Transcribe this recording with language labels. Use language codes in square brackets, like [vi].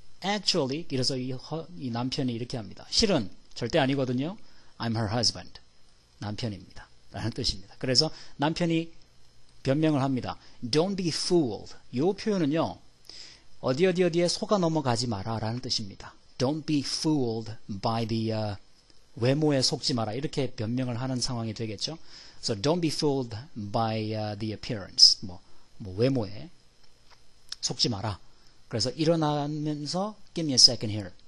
[ko] Actually, 이래서 이 남편이 이렇게 합니다. 실은 절대 아니거든요. [en] I'm her husband. [ko] 남편입니다. 라는 뜻입니다. 그래서 남편이 변명을 합니다. [en] Don't be fooled. [ko] 이 표현은요. 어디 어디 어디에 속아 넘어가지 마라 라는 뜻입니다. [en] Don't be fooled by the [ko] 외모에 속지 마라. 이렇게 변명을 하는 상황이 되겠죠. [en] So don't be fooled by the appearance. [ko] 뭐 외모에 속지 마라. 그래서 일어나면서 [en] give me a second here.